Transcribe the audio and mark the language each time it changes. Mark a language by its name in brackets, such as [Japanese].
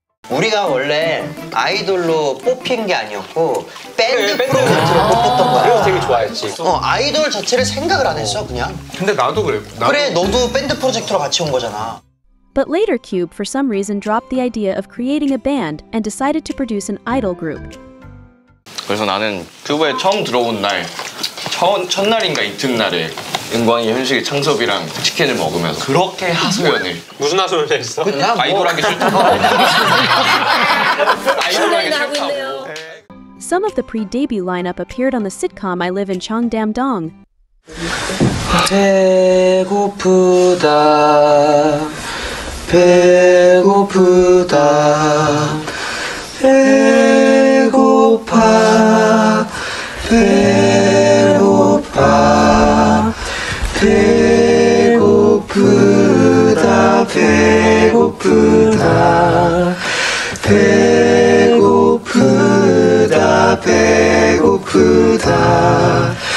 [Korean] 우리가 원래 아이돌로 뽑힌 게 아니었고 밴드 프로젝트로 뽑혔던 거야. 그래서 되게 좋아했지. 아이돌 자체를 생각을 안 했어 그냥. 근데 나도 그랬고. 그래 너도 밴드 프로젝트로 같이 온 거잖아. [English] But later Cube for some reason dropped the idea of creating a band and decided to produce an idol group. [Korean] 그래서 나는 큐브에 처음 들어온 날 첫날인가 이튿날에 은광이 현식이 창섭이랑 치킨을 먹으면서 그렇게 하소연을 무슨 하소연을 했어? 그냥 뭐. 아이돌하기 싫다고 아이돌하기 싫다고 [English] Some of the pre-debut lineup appeared on the sitcom I Live in Cheongdam-dong [Korean] 배고프다 배고프다 배고파 배고파 배고프다 배고프다 배고프다 배고프다